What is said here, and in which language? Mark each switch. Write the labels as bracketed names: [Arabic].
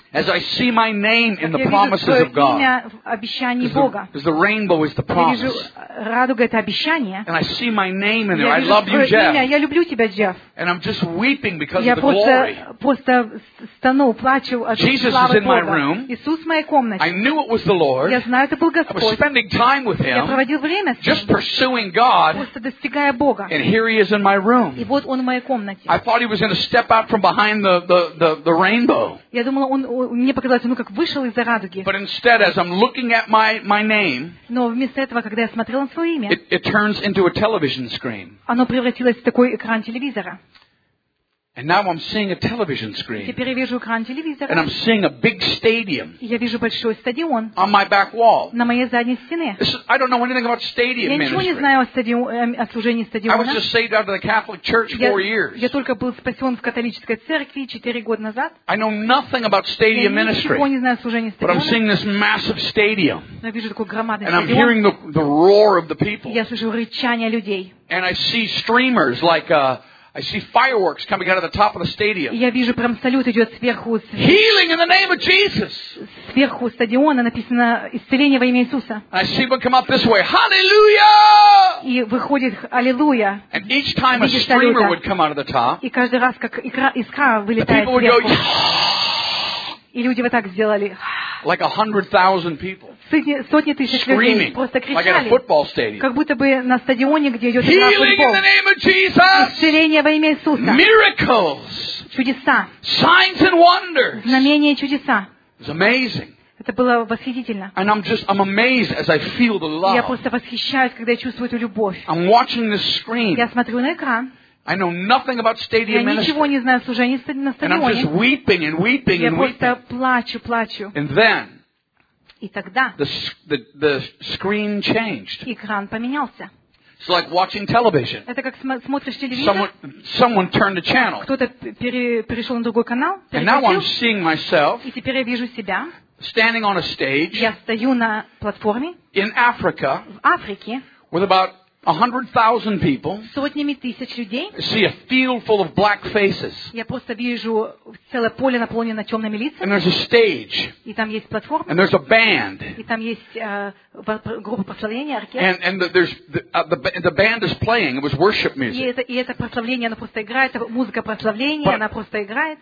[English] As I see my name in the promises of God. [Russian] Я вижу имя в обещании Бога. [English] Because the rainbow is the promise. [Russian] Я вижу радуга это обещание. [English] And I see my name in there. I love you, Jeff. [Russian] Я люблю тебя, Джефф. [English] And I'm just weeping because of the glory. [Russian] Я просто стану, плачу от славы Бога. [English] Jesus is in my room. [Russian] Иисус в моей комнате. [English] I knew it was the Lord. [Russian] Я знаю, это был Господь. [English] I was spending time with Him. [Russian] Я проводил время с Ним. [English] Just pursuing God. [Russian] Просто достигая Бога. [English] And here He is in my room. [Russian] И вот он в моей комнате. [English] I thought He was going to step out from behind the rainbow. [Russian] Я думала, он мне показалось, ну как вышел из-за радуги. [English] But instead, as I'm looking at my name. [Russian] Но вместо этого, когда я смотрела на свое имя. [English] It turns into a television screen. [Russian] Оно превратилось в такой экран телевизора. [English] And now I'm seeing a television screen. [Russian] Теперь я вижу экран телевизора. [English] And I'm seeing a big stadium. [Russian] Я вижу большой стадион. [English] On my back wall. [Russian] На моей задней стене. [English] I don't know anything about stadium ministry. [Russian] Я ничего не знаю о служении стадиона. [English] I was just saved out of the Catholic Church 4 years. [Russian] Я только был спасен в католической церкви 4 года назад. [English] I know nothing about stadium ministry. [Russian] Я ничего не знаю о служении стадиона. [English] But I'm seeing this massive stadium. [Russian] Я вижу такой громадный стадион. [English] And I'm hearing the roar of the people. [Russian] Я слышу рычание людей. [English] And I see streamers like I see fireworks coming out of the top of the stadium. [Russian] Я вижу прям салют идет сверху. [English] Healing in the name of Jesus. [Russian] Сверху стадиона написано исцеление во имя Иисуса. [English] I see them come up this way. Hallelujah! [Russian] И выходит аллилуйя. [English] And each time a streamer would come out of the top. [Russian] И каждый раз как искра вылетает [English] people [Russian] сверху. [English] People would go. [Russian] И люди вот так сделали. [English] Like 100,000 people. [Russian] Сотни тысяч людей просто кричали, как будто бы на стадионе, где идет игра в футбол. Исцеление во имя Иисуса. [English] Miracles. [Russian] Чудеса. [English] Signs and wonders. [Russian] Знамения и чудеса. [English] It's amazing. [Russian] Это было восхитительно. [English] And I'm amazed as I feel the love. [Russian] Я просто восхищаюсь, когда я чувствую эту любовь. [English] I'm watching the screen. [Russian] Я смотрю на экран. [English] I know nothing about stadium ministry. [Russian] Я ничего не знаю о служении на стадионе. [English] And I'm just weeping and weeping and weeping. [Russian] Я просто плачу. [English] And then. [Russian] И тогда. [English] The screen changed. [Russian] Экран поменялся. [English] It's like watching television. [Russian] Это как смотришь телевизор. [English] Someone turned the channel. [Russian] Кто-то перешел на другой канал. [English] And now I'm seeing myself. [Russian] И теперь я вижу себя. [English] Standing on a stage. [Russian] Я стою на платформе. [English] In Africa. [Russian] В Африке. [English] With about 100,000 people. [Russian] Сотнями тысяч людей. [English] I see a field full of black faces. [Russian] Я просто вижу целое поле, наполненное темными лицами. [English] And there's a stage. [Russian] И там есть платформа. [English] And there's a band. [Russian] И там есть группа прославления, оркестр. [English] And the band is playing. It was worship music. [Russian] И это прославление, оно просто играет. Музыка прославления, она просто играет.